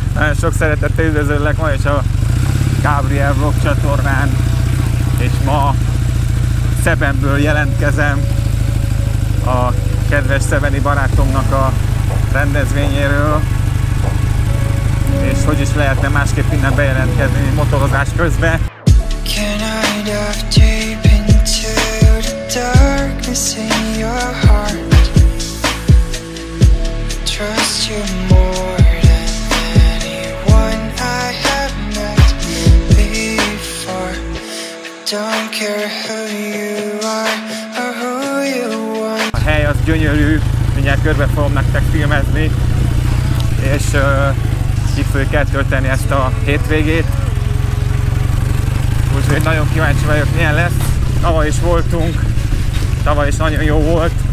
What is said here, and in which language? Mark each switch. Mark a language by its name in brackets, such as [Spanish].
[Hungarian] Nagyon sok szeretettel üdvözöllek ma is a Gábriel Vlog csatornán, és ma Szebenből jelentkezem a kedves szebeni barátomnak a rendezvényéről, és hogy is lehetne másképp innen bejelentkezni motorozás közben. [English] Can I dive deep into the darkness in your heart? Trust you more than anyone I have met before. I don't care who you are or who you want. [Hungarian] A hely az gyönyörű, mindjárt körbe fogom nektek filmezni, és ki fogjuk eltölteni ezt a hétvégét. Úgyhogy nagyon kíváncsi vagyok, milyen lesz. Tavaly is voltunk, tavaly is nagyon jó volt.